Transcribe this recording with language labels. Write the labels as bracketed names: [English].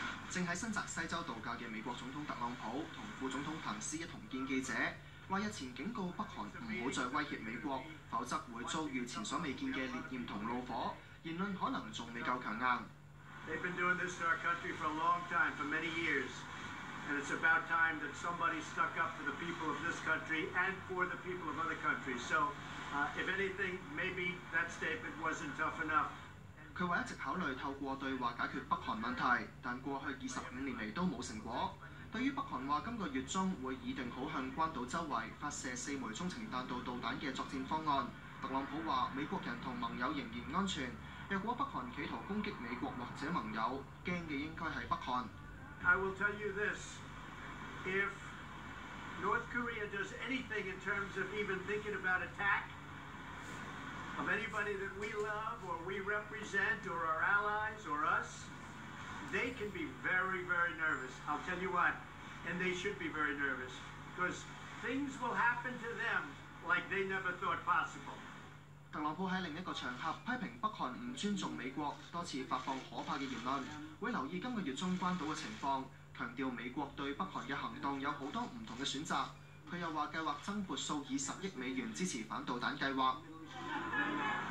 [Chinese] 正在新澤西州度假的美國總統特朗普和副總統彭斯一同見記者，說日前警告北韓不要再威脅美國，否則會遭遇前所未見的烈焰和怒火，言論可能還未夠強硬。 [English] They've been doing this in our country for a long time, for many years. And it's about time that somebody stuck up for the people of this country and for the people of other countries. So, if anything, maybe that statement wasn't tough enough. [Chinese] 他說一直考慮透過對話解決北韓問題，但過去25年來都沒有成果。對於北韓說今個月中會擬定好向關島周圍發射四枚中程彈道導彈的作戰方案，特朗普說美國人和盟友仍然安全，若果北韓企圖攻擊美國或者盟友，害怕的應該是北韓。 [English] I will tell you this, if North Korea does anything in terms of even thinking about attack of anybody that we love or we represent or our allies or us,They can be very, very nervous. I'll tell you what, and they should be very nervous, because things will happen to them like they never thought possible. [Chinese] 特朗普在另一個場合批評北韓不尊重美國，多次發放可怕的言論，會留意今個月中關島的情況，強調美國對北韓的行動有很多不同的選擇。他又說計劃增撥數以十億美元支持反導彈計劃。